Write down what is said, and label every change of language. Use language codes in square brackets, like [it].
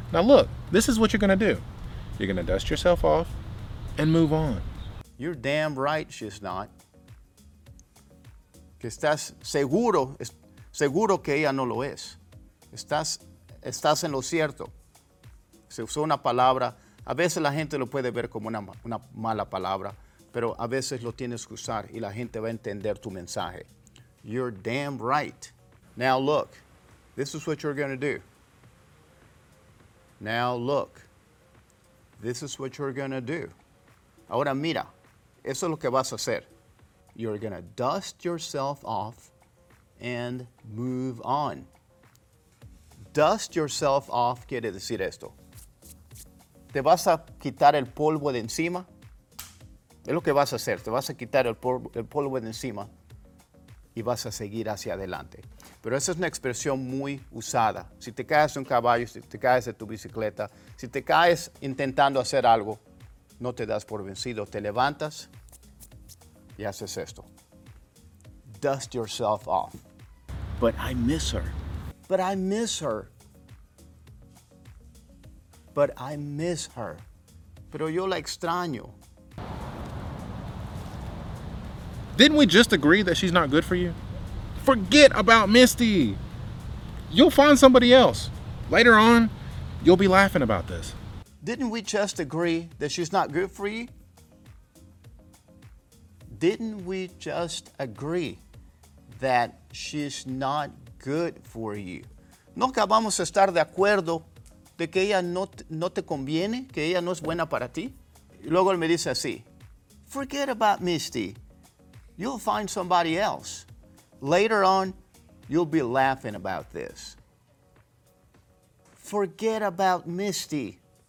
[en] Now look, this is what you're gonna do. You're gonna dust yourself off and move on. You're damn right she's not. [es] Que estás seguro, seguro que ella no lo es. Estás en lo cierto. Se usó una palabra, a veces la gente lo puede ver como una mala palabra, pero a veces lo tienes que usar y la gente va a entender tu mensaje. [en] You're damn right. Now look, this is what you're going to do. Now look, this is what you're going to do. [es] Ahora mira, eso es lo que vas a hacer. [en] You're going to dust yourself off and move on. Dust yourself off [es] quiere decir esto. Te vas a quitar el polvo de encima. Es lo que vas a hacer. Te vas a quitar el polvo de encima. Y vas a seguir hacia adelante. Pero esa es una expresión muy usada. Si te caes de un caballo, si te caes de tu bicicleta, si te caes intentando hacer algo, no te das por vencido. Te levantas y haces esto. [en] Dust yourself off. But I miss her. But I miss her. But I miss her. [es] Pero yo la extraño. [en] Didn't we just agree that she's not good for you? Forget about Misty. You'll find somebody else. Later on, you'll be laughing about this. Didn't we just agree that she's not good for you? Didn't we just agree that she's not good for you? [es] No acabamos de estar de acuerdo de que ella no te conviene, que ella no es buena para ti. Y luego él me dice así, [en] forget about Misty. You'll find somebody else. Later on, you'll be laughing about this. Forget about Misty.